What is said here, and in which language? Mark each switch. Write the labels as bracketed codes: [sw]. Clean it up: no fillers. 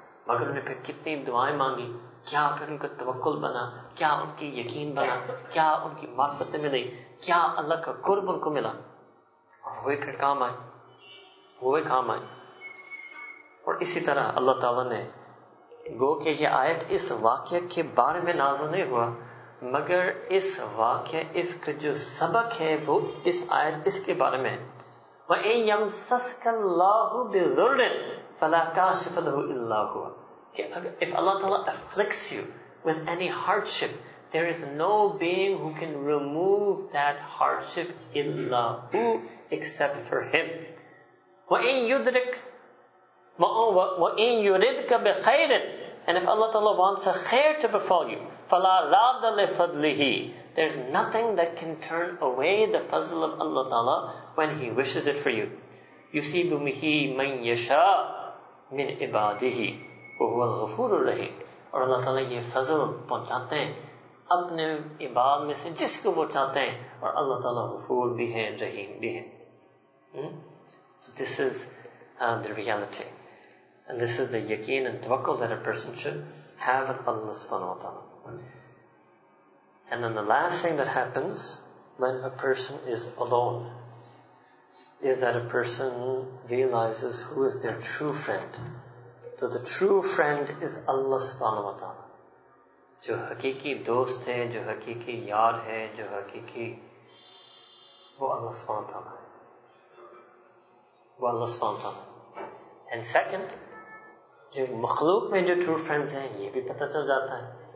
[ur] مگر انہیں پھر کتنی دعائیں مانگی, کیا پھر ان کا توکل بنا, کیا ان کی یقین بنا, کیا ان کی معرفت ملی, کیا اللہ کا قرب ان کو ملا, وہی پھر کام آئے, وہی کام آئے. اور اسی طرح اللہ تعالیٰ نے, گو کہ یہ آیت اس واقعہ کے بارے میں نازل نہیں ہوا, مگر اس واقعہ عفق جو سبق ہے وہ اس آیت اس کے بارے میں. [ar] وَإِن يَمْسَسْكَ اللَّهُ بِضُرٍّ فَلَا كَاشِفَ لَهُ إِلَّا هُوَ, [ur] کہ اگر [en] if Allah Ta'ala afflicts you with any hardship, there is no being who can remove that hardship [ar] إِلَّا هُوَ [en] except for Him. [ar] وَإِن يُدْرِكَ وَإِن يُرِدْكَ بِخَيْرٍ [en] And if Allah Ta'ala wants a khair to befall you, [ar] فَلَا رَادَ لِفَضْلِهِ, [en] there's nothing that can turn away the fazl of Allah Ta'ala when He wishes it for you. [ar] يُسِيبُ مِهِ مَنْ يَشَاءُ مِنْ عِبَادِهِ وَهُوَ الْغَفُورُ الرَّحِيمُ. [ur] اور اللہ تعالیٰ یہ فضل پہنچاتے ہیں اپنے عباد میں سے جس کو وہ چاہتے ہیں, اور اللہ تعالیٰ غفور بھی ہے رحیم بھی ہے. [en] So this is the reality. And this is the yakin and tawakkul that a person should have at Allah subhanahu wa ta'ala. And then the last thing that happens when a person is alone is that a person realizes who is their true friend. So the true friend is Allah subhanahu wa ta'ala. [ur] جو حقیقی دوست ہے, جو حقیقی یار ہے, جو حقیقی, وہ اللہ سبحانہ وتعالیٰ ہے, وہ اللہ سبحانہ وتعالیٰ. [en] And second, [ur] جو مخلوق میں جو [en] true friends [ur] ہیں یہ بھی پتہ چل جاتا ہے.